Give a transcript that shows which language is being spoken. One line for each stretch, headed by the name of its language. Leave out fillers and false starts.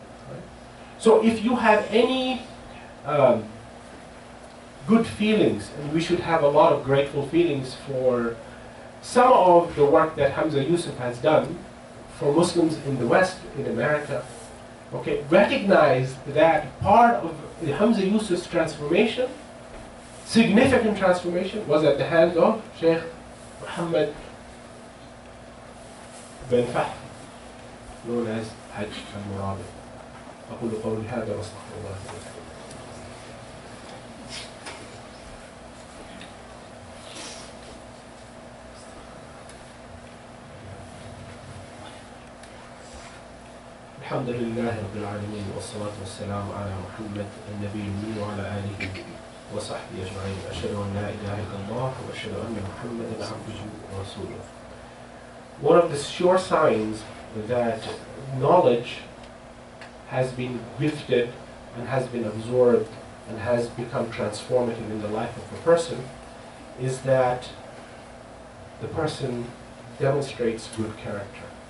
English: Right? So if you have any good feelings, and we should have a lot of grateful feelings for some of the work that Hamza Yusuf has done for Muslims in the West, in America, okay, recognize that part of Hamza Yusuf's transformation, significant transformation, was at the hands of Shaykh Muhammad Ould Fahfu, known as al-Hajj al-Murabit.
Arabic: أقول قولي هذا وأستغفر الله. الحمد لله رب العالمين والصلاة والسلام على محمد النبي الأمي وعلى آله وصحبه أجمعين أشهد أن لا إله إلا الله وأشهد أن محمدا عبده ورسوله.
English: One of the sure signs that knowledge has been gifted and has been absorbed and has become transformative in the life of a person is that the person demonstrates good character.